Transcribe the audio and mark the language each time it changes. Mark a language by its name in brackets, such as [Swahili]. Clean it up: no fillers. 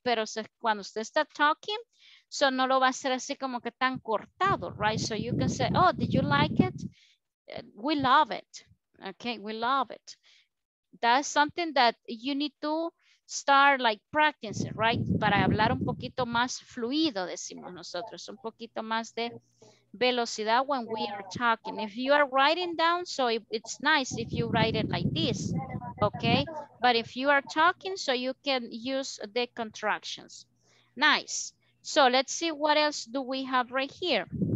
[Spanish] Pero se, cuando usted está talking, so no lo va a hacer así como que tan cortado, right? [English] So you can say, oh, did you like it? We love it. Okay, we love it. That's something that you need to start like practicing, right? [Spanish] Para hablar un poquito más fluido, decimos nosotros. Un poquito más de velocidad [English] when we are talking. If you are writing down, so it's nice if you write it like this, okay? But if you are talking, so you can use the contractions. Nice. So let's see what else do we have right here.